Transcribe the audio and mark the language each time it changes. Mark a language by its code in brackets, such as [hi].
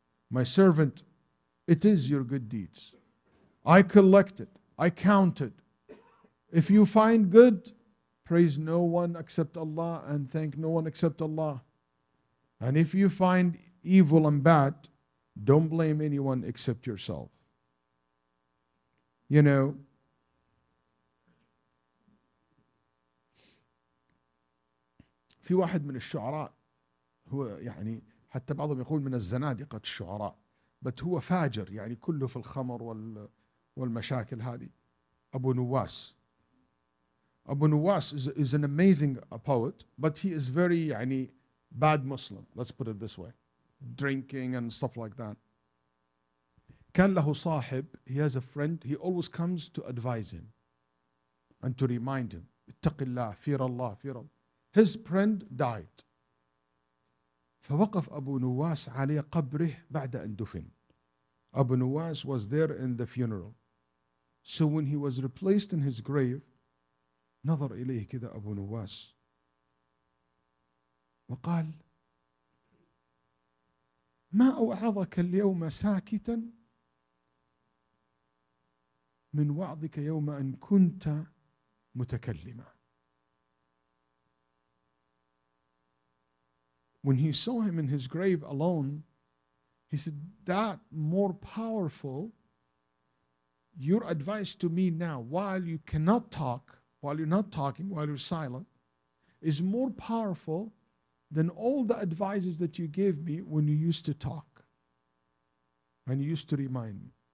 [en] My servant, it is your good deeds. I collect it. I count it. If you find good, praise no one except Allah and thank no one except Allah. And if you find evil and bad, don't blame anyone except yourself. [ar] You know, في واحد من الشعراء هو يعني حتى بعضهم يقول من الزنادقة الشعراء, بس هو فاجر يعني كله في الخمر والمشاكل هذه. أبو نواس. [en] أبو نواس is an amazing poet, but he is very يعني bad Muslim. Let's put it this way. Drinking and stuff like that. [ar] كان له صاحب. [en] He has a friend. He always comes to advise him and to remind him. [ar] اتق الله, [en] Fear الله, fear الله. His friend died. [ar] فوقف أبو نواس على قبره بعد أن دفن. [en] أبو نواس was there in the funeral. So when he was replaced in his grave, [ar] نظر إليه كذا أبو نواس وقال ما أوعظك اليوم ساكتا من وعظك يوم أن كنت متكلما. [en] When he saw him in his grave alone, he said, that more powerful, your advice to me now, while you cannot talk, while you're not talking, while you're silent, is more powerful than all the advices that you gave me when you used to talk and you used to remind me.